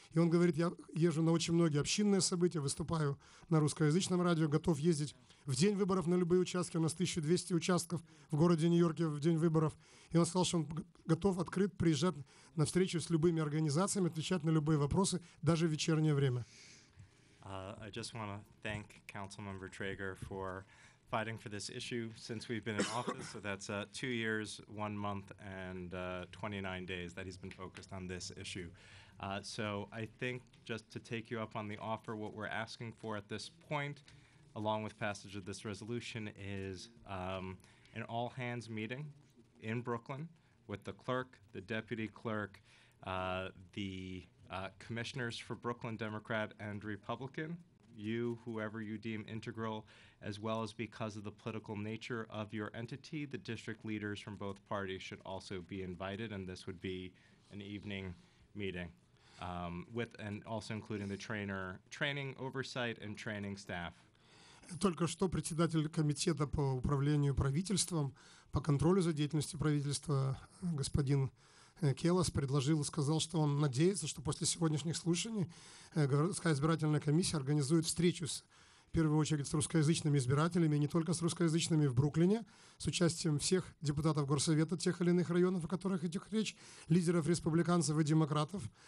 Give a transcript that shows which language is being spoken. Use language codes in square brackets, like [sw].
[ru] И он говорит, я езжу на очень многие общинные события, выступаю на русскоязычном радио, готов ездить в день выборов на любые участки. У нас 1200 участков в городе Нью-Йорке в день выборов. И он сказал, что он готов, открыт, приезжать на встречу с любыми организациями, отвечать на любые вопросы, даже в вечернее время. [en] I just want to thank Councilmember Traeger for fighting for this issue since we've been in office. So that's 2 years, 1 month, and 29 days that he's been focused on this issue. So I think just to take you up on the offer, what we're asking for at this point, along with passage of this resolution, is an all-hands meeting in Brooklyn with the clerk, the deputy clerk, the commissioners for Brooklyn, Democrat and Republican, you, whoever you deem integral, as well as because of the political nature of your entity, the district leaders from both parties should also be invited, and this would be an evening meeting, with and also including the trainer, training oversight and training staff. [ru] Только что председатель комитета по управлению правительством, по контролю за деятельностью правительства, господин Келлос предложил, сказал, что он надеется, что после сегодняшних слушаний городская избирательная комиссия организует встречу с, в первую очередь, с русскоязычными избирателями, не только с русскоязычными в Бруклине, с участием всех депутатов горсовета тех или иных районов, о которых идет речь, лидеров республиканцев и демократов